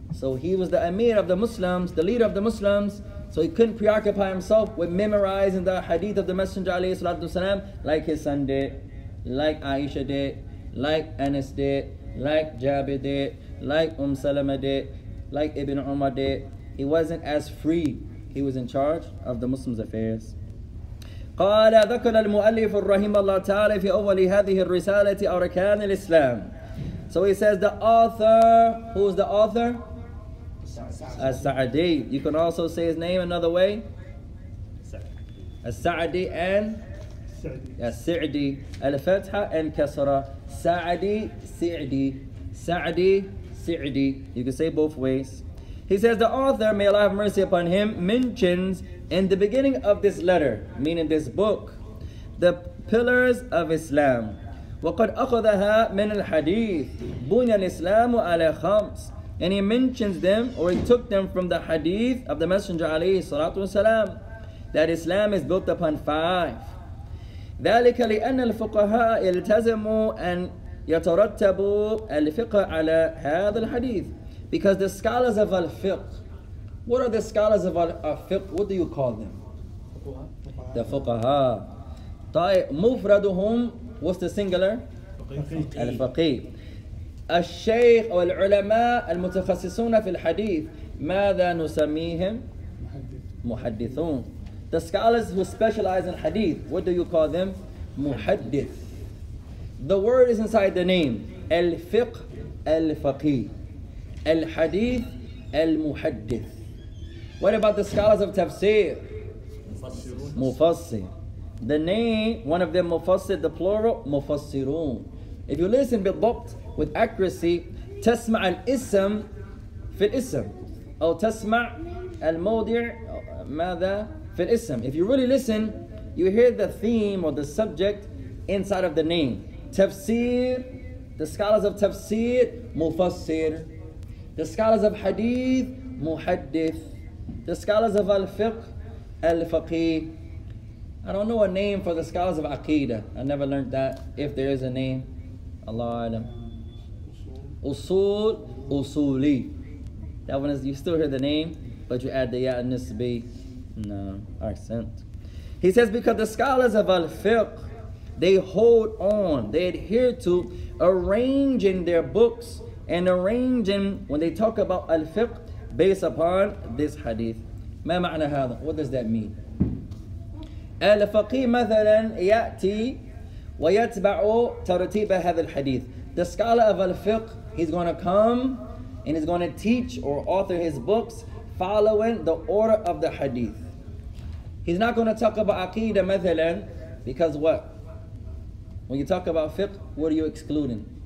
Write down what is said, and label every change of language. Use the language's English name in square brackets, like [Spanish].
[English] So he was the Amir of the Muslims, the leader of the Muslims. So he couldn't preoccupy himself with memorizing the hadith of the Messenger alayhi salatu wasalam, like his son did, like Aisha did, like Anas did, like Jabir did, like Salama did, like Ibn Umar did. He wasn't as free. He was in charge of the Muslims' affairs. [Arabic] قال ذكر المؤلف رحمه الله تعالى في أول هذه الرسالة أركان الإسلام. [English] So he says the author, who's the author? As-Sa'di. You can also say his name another way. As-Sa'di and? As-Sa'di. Al-Fatha and Kasra. Sa'di, Si'di. Sa'di, Si'di. You can say both ways. He says the author, may Allah have mercy upon him, mentions in the beginning of this letter, meaning this book, the pillars of Islam. [Arabic] وَقَدْ أَخَذَهَا مِنَ الْحَدِيثِ بُنْيَ الْإِسْلَامُ عَلَى خَمْسِ. [English] And he mentions them, or he took them from the hadith of the Messenger [Arabic] عليه الصلاة والسلام, [English] that Islam is built upon five. [Arabic] ذَلِكَ لِأَنَّ الْفُقَهَاءَ يَلْتَزِمُوا أَنْ يَتَرَتَّبُوا الْفِقْهَ عَلَى هَذَا الْحَدِيثِ. [English] Because the scholars of al-fiqh, what are the scholars of al-fiqh, what do you call them? The fuqaha. مُفْرَدُهُمْ, what's the singular? Al-faqih. [Arabic] الشيخ والعلماء المتخصصون في الحديث ماذا نسميهم محدثون. [English] The scholars who specialize in hadith, what do you call them? [Arabic] محدث. [English] The word is inside the name. [Arabic] الفقه الفقيه. الحديث المحدث. [English] What about the scholars of tafsir? [Arabic] مفسر. [English] The name, one of them مفسر, the plural مفسرون. If you listen [Arabic] بالضبط, [English] with accuracy, [Arabic] تسمع الاسم في الاسم أو تسمع الموضع ماذا في الاسم. [English] If you really listen, you hear the theme or the subject inside of the name. تفسير, the scholars of تفسير مفسر. The scholars of حديث محدث. The scholars of الفقه الفقيه. I don't know a name for the scholars of عقيدة. I never learned that. If there is a name, Allah أعلم. Usul, usuli. That one is, you still hear the name, but you add the ya and nisbi. No, accent. He says, because the scholars of al-fiqh, they hold on, they adhere to arranging their books and arranging when they talk about al-fiqh based upon this hadith. [Arabic] ما معنى هذا? [English] What does that mean? [Arabic] Al-faqih مثلاً يأتي ويتبع ترتيب هذا الحديث. [English] The scholar of al-fiqh, he's going to come and he's going to teach or author his books following the order of the hadith. He's not going to talk about aqidah mathalan, because what? When you talk about fiqh, what are you excluding?